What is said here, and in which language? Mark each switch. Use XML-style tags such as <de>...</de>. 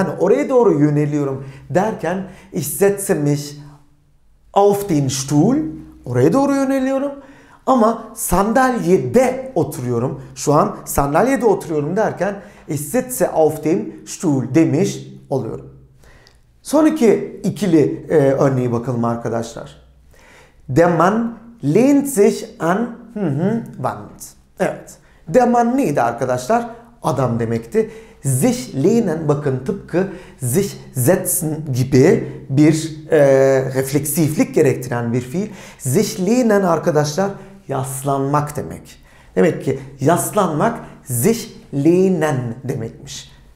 <tr>Yani oraya doğru yöneliyorum derken</tr> <de>ich setze mich auf den Stuhl.</de> <tr>Oraya doğru yöneliyorum. Ama sandalyede oturuyorum. Şu an sandalyede oturuyorum derken</tr> <de>ich setze auf den Stuhl</de> <tr>demiş oluyorum. Sonraki ikili örneği bakalım arkadaşlar.</tr> <de>Der Mann lehnt sich an Wand.</de> <tr>Evet. Der Mann neydi arkadaşlar? Adam demekti. Sich lehnen, bakın tıpkı sich setzen gibi bir refleksiflik gerektiren bir fiil. Sich lehnen arkadaşlar yaslanmak demek. Demek ki yaslanmak sich lehnen demekmiş.</tr>